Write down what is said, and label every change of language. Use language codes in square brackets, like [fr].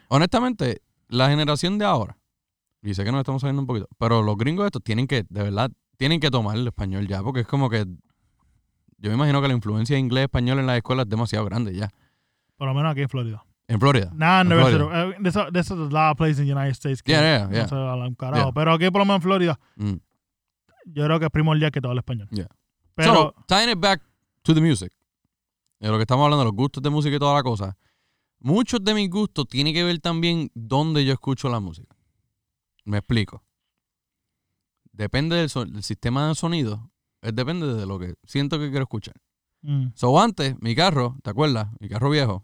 [es] Honestamente, la generación de ahora, y sé que nos estamos saliendo un poquito, pero los gringos estos tienen que, de verdad, tienen que tomar el español ya, porque es como que, yo me imagino que la influencia de inglés-español en las escuelas es demasiado grande ya. Por lo menos aquí en Florida. ¿En Florida? [en] Nah, no, there's a lot of places in the United States. [es] Que yeah. No sé, al carajo. Yeah. Pero aquí, por lo menos en Florida, yo creo que es primordial que todo el español. Yeah. [en] Pero, so, tying it back to the music. [es] De lo que estamos hablando, los gustos de música y toda la cosa. Muchos de mis gustos tienen que ver también dónde yo escucho la música. Me explico. Depende del sistema de sonido. Depende de lo que siento que quiero escuchar. Mm. So, antes, mi carro, ¿te acuerdas? Mi carro viejo.